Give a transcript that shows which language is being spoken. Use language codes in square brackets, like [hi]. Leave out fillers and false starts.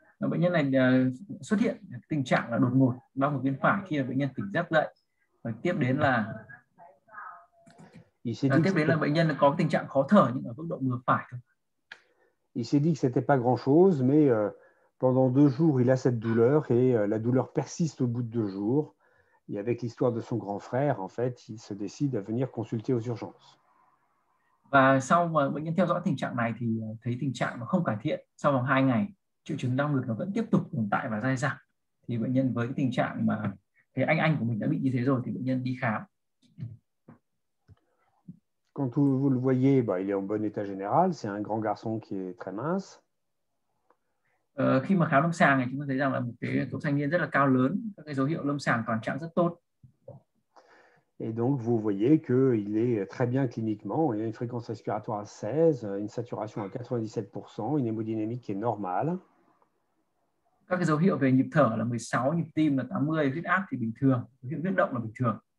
[vi] Bệnh nhân này xuất hiện tình trạng là đột ngột đau ngực bên phải khi bệnh nhân tỉnh giấc dậy. Và tiếp đến là bệnh nhân có tình trạng khó thở nhưng ở mức độ vừa phải. [fr] Il s'est dit que c'était pas grand-chose, mais pendant 2 jours, il a cette douleur et la douleur persiste au bout de 2 jours. Et avec l'histoire de son grand frère, en fait, il se décide à venir consulter aux urgences. [vi] Và sau mà bệnh nhân theo dõi tình trạng này thì thấy tình trạng nó không cải thiện. Sau vòng 2 ngày, triệu chứng đau ngực nó vẫn tiếp tục tồn tại và dai dẳng. Thì bệnh nhân với cái tình trạng mà thấy anh của mình đã bị như thế rồi thì bệnh nhân đi khám. [fr] Quand vous le voyez, bah, il est en bon état général. C'est un grand garçon qui est très mince. [vi] Khi mà khám lâm sàng này, chúng ta thấy rằng là một cái cậu thanh niên rất là cao lớn, các cái dấu hiệu lâm sàng toàn trạng rất tốt. [fr] Et donc, vous voyez qu'il est très bien cliniquement. Il a une fréquence respiratoire à 16, une saturation à 97%, une hémodynamique qui est normale. [vi] Các cái dấu hiệu về nhịp thở là 16, nhịp tim là 80, huyết áp thì bình thường, dấu hiệu huyết động là bình thường.